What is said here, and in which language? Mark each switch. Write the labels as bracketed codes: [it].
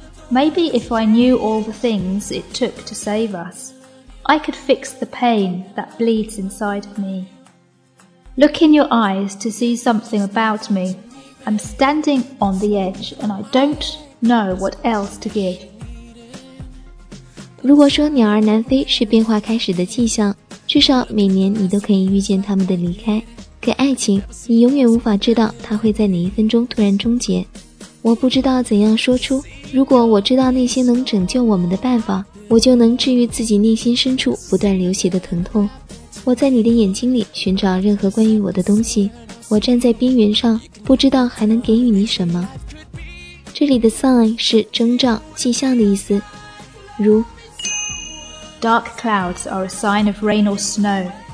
[en] Maybe if I knew all the things it took to save us, I could fix the pain that bleeds inside of me. Look in your eyes to see something about me. I'm standing on the edge and I don't know what else to give. [zh] 如果说鸟儿南飞是变化开始的迹象，至少每年你都可以预见他们的离开。可爱情，你永远无法知道它会在哪一分钟突然终结。我不知道怎样说出，如果我知道那些能拯救我们的办法，我就能治愈自己内心深处不断流血的疼痛。我在你的眼睛里寻找任何关于我的东西，我站在边缘上，不知道还能给予你什么。这里的 sign 是征兆、迹象的意思，如 [en] Dark clouds are a sign of rain or snow.